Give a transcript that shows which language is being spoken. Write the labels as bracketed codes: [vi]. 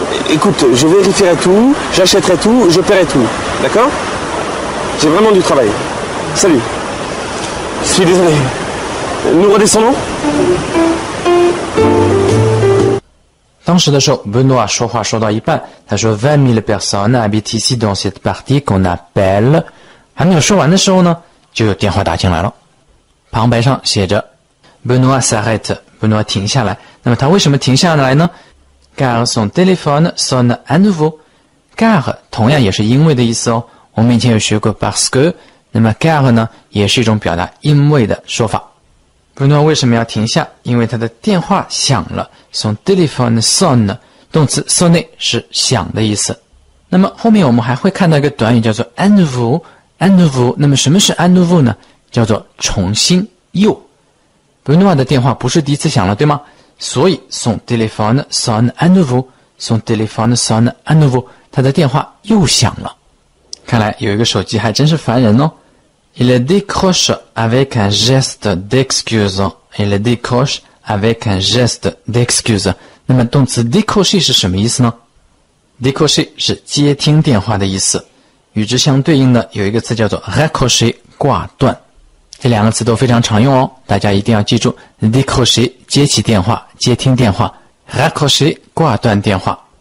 [fr] Écoute, je vérifierai tout, j'achèterai tout, je paierai tout. D'accord? J'ai vraiment du travail. Salut. Je suis désolé. Nous redescendons? [zh] 当时的时候, Benoît 说话说到一半, 他说 [fr] 20 000 personnes habitent ici dans cette partie qu'on appelle. [zh] 还没有说完的时候呢, 就有电话打进来了。旁白上写着 [fr] Benoît s'arrête, [zh] Benoît 停下来, 那么他为什么停下来呢? [fr] Car son téléphone sonne à nouveau. [zh] Car 同样也是因为的意思哦, 我们以前有学过 [fr] parce que, [zh] 那么 car 呢, 也是一种表达因为的说法。 Benoît 为什么要停下?因为他的电话响了, [fr] son téléphone sonne, [zh] 动词 sonne 是响的意思。那么后面我们还会看到一个短语叫做 [fr] à nouveau, à nouveau, [zh] 那么什么是 à nouveau 呢? 叫做重新又。Benoît 的电话不是第一次响了, 对吗? 所以 [fr] son téléphone sonne à nouveau, [zh] son téléphone sonne à nouveau, 他的电话又响了。看来有一个手机还真是烦人哦。 [fr] Il décroche avec un geste d'excuse. Il décroche avec un geste d'excuse. [zh] 那么动词 décrocher 是什么意思呢?Décrocher 是接听电话的意思。与之相对应的有一个词叫做 raccrocher 挂断。这两个词都非常常用哦, 大家一定要记住, décrocher 接起电话, 接听电话, raccrocher 挂断电话。